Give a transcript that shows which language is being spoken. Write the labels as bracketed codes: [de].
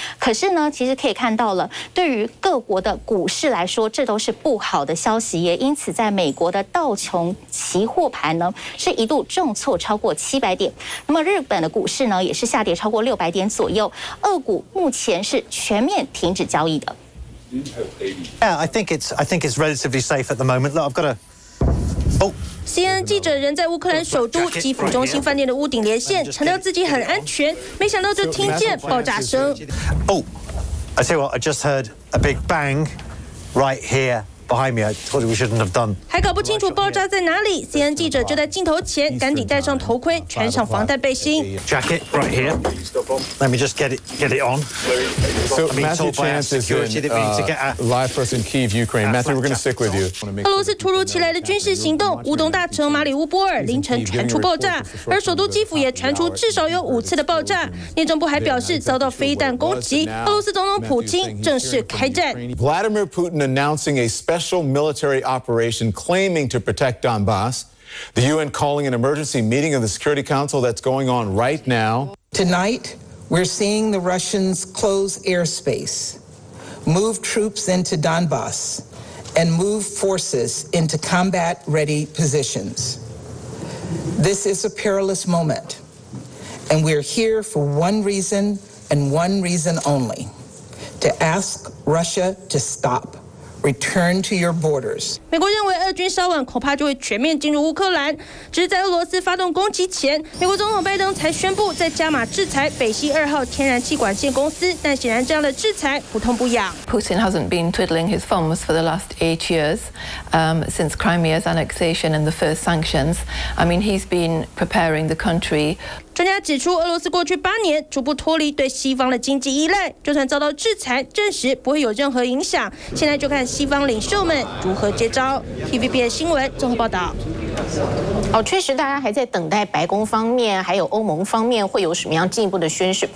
[zh] 可是呢，其实可以看到了，对于各国的股市来说这都是不好的消息，也因此在美国的道琼期货盘呢是一度重挫超过700点。那么日本的股市呢也是下跌超过600点左右，俄股目前是全面停止交易的。 [en] Yeah, I think it's relatively safe at the moment. Look, I've got a [zh] CNN 记者人在乌克兰首都基辅中心饭店的屋顶连线，强调自己很安全，没想到就听见爆炸声。 [en] I tell you what, I just heard a big bang right here. Behind me, I told you we shouldn't have done. [zh] 还搞不清楚爆炸在哪里 ，CNN 记者就在镜头前，赶紧戴上头盔，穿上防弹背心。 [en] Jacket right here. Let me just get it on. So Matthew Chance is in live for us in Kyiv, Ukraine. Matthew, we're going to stick with you. [zh] 俄罗斯突如其来的军事行动，乌东大城马里乌波尔凌晨传出爆炸，而首都基辅也传出至少有5次的爆炸。内政部还表示遭到飞弹攻击，俄罗斯总统普京正式开战。 [en] Vladimir Putin announcing a special special military operation claiming to protect Donbass. The UN calling an emergency meeting of the Security Council that's going on right now. Tonight, we're seeing the Russians close airspace, move troops into Donbass, and move forces into combat-ready positions. This is a perilous moment, and we're here for one reason and one reason only, to ask Russia to stop. Return to your borders. [zh] 美国认为俄军稍晚恐怕就会全面进入乌克兰，只是在俄罗斯发动攻击前，美国总统拜登才宣布在加码制裁北溪二号天然气管线公司。但显然这样的制裁不痛不痒。 [en] Putin hasn't been twiddling his thumbs for the last 8 years, since Crimea's annexation and the first sanctions. I mean, he's been preparing the country. [zh] 专家指出，俄罗斯过去八年逐步脱离对西方的经济依赖，就算遭到制裁，暂时不会有任何影响。现在就看西方领袖们如何接招。TVBS 新闻综合报道。哦，确实，大家还在等待白宫方面还有欧盟方面会有什么样进一步的宣示。